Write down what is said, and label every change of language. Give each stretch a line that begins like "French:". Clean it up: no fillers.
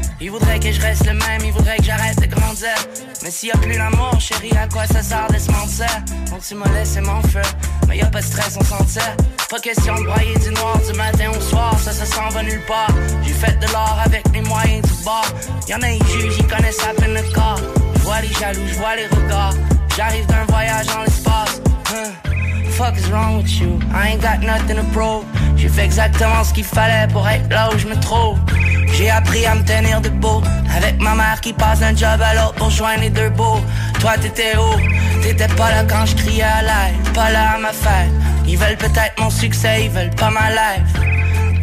French: Il voudrait que je reste le même, il voudrait que j'arrête de grandir. Mais s'il y a plus l'amour, chérie, à quoi ça sert de se mentir? Bon, tu m'as laissé mon feu, mais y'a pas de stress, on s'en tire. Pas question de broyer du noir du matin au soir, ça, ça s'en va nulle part. J'ai fait de l'or avec mes moyens du bord. Y'en a un juge, ils connaissent à peine le corps. J'vois les jaloux, j'vois les regards. J'arrive d'un voyage en l'espace.
English: Fuck is wrong with you? I ain't got nothing to prove.
French: J'ai fait exactement ce qu'il fallait pour être là où je me trouve. J'ai appris à me tenir debout avec ma mère qui passe d'un job à l'autre pour joindre les deux bouts. Toi t'étais où? T'étais pas là quand je criais à l'aide. Pas là à ma fête. Ils veulent peut-être mon succès, ils veulent pas ma life.